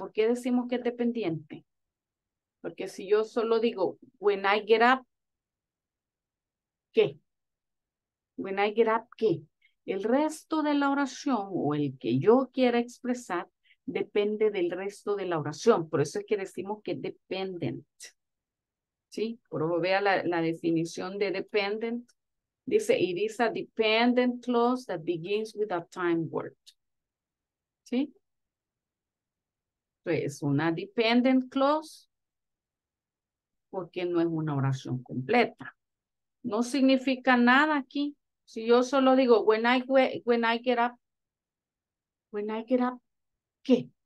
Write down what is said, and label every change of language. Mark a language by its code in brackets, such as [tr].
[es] ¿Por qué decimos que es dependiente? Porque si yo solo digo, [en] when I get up, [es] ¿qué? [en] When I get up, ¿qué? [es] El resto de la oración o el que yo quiera expresar depende del resto de la oración. Por eso es que decimos que es dependent. ¿Sí? Por eso vea la definición de dependent. [en] Dice, it is a dependent clause that begins with a time word. [es] ¿Sí? Entonces, una dependent clause porque no es una oración completa. No significa nada aquí. Si yo solo digo, [en] when I get up, [es] ¿qué?